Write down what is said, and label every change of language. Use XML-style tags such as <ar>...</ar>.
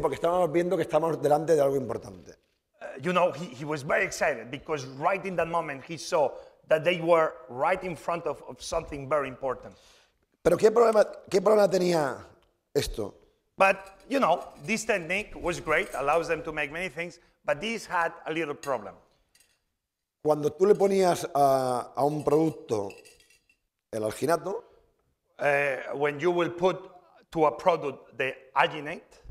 <es>Porque estábamos viendo que estábamos delante de algo importante.</es> <en>You know, he was very excited because right in that moment he saw that they were right in front of something very important.</en> <es>¿Pero qué problema tenía esto?</es> <en>But, you know, this technique was great, allows them to make many things, but this had a little problem.</en> <es>Cuando tú le ponías a un producto el alginato,</es> <en>when you will put to a product the alginate,</en>